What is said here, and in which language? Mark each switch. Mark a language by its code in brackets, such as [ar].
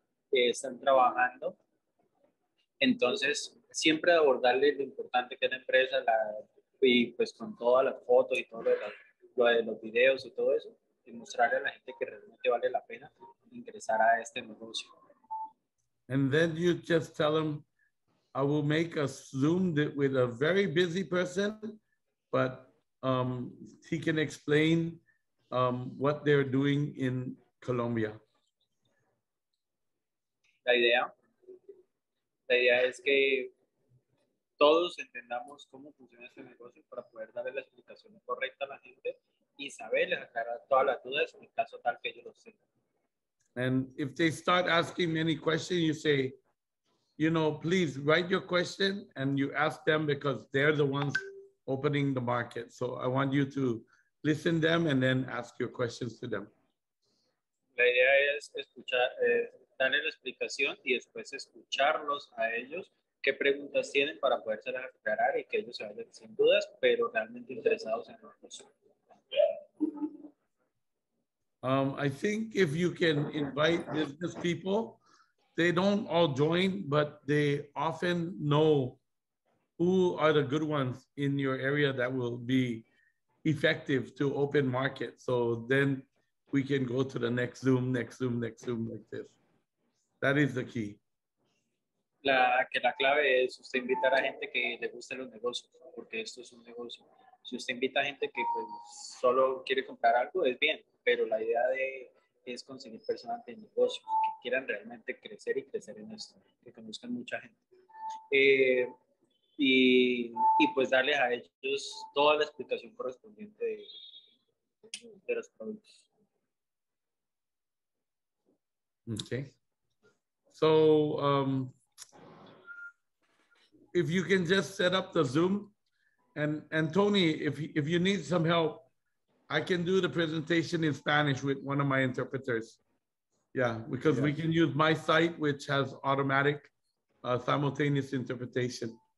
[es] Están trabajando. Entonces, siempre abordarle lo importante que es la empresa, y pues con todas las fotos y todo lo de los videos y todo eso, y mostrarle a la gente que realmente vale la pena ingresar a este negocio. [en] And then you just tell them, I will make a Zoom with a very busy person, but he can explain what they're doing in Colombia. [es] La idea es que todos entendamos cómo funciona este negocio para poder darle la explicación correcta a la gente y saberle aclarar todas las dudas en caso tal que ellos lo sepan. [en] And if they start asking any question, you say, you know, please write your question and you ask them because they're the ones opening the market. So I want you to listen to them and then ask your questions to them. [es] La idea es escuchar, darle la explicación y después escucharlos a ellos, qué preguntas tienen para poderse las aclarar y que ellos se vayan sin dudas, pero realmente interesados en nosotros. [en] I think if you can invite business people, they don't all join, but they often know who are the good ones in your area that will be effective to open market. So then we can go to the next Zoom, next Zoom, next Zoom like this. That is the key. [es] La clave es usted invitar a gente que le guste los negocios, porque esto es un negocio. Si usted invita a gente que pues, solo quiere comprar algo, es bien, pero la idea es conseguir personas de negocio que quieran realmente crecer y crecer en esto, que conozcan mucha gente. Y pues darles a ellos toda la explicación correspondiente de los productos. [en] Okay. So, if you can just set up the Zoom, and Tony, if you need some help, I can do the presentation in Spanish with one of my interpreters. Yeah, because we can use my site, which has automatic simultaneous interpretation.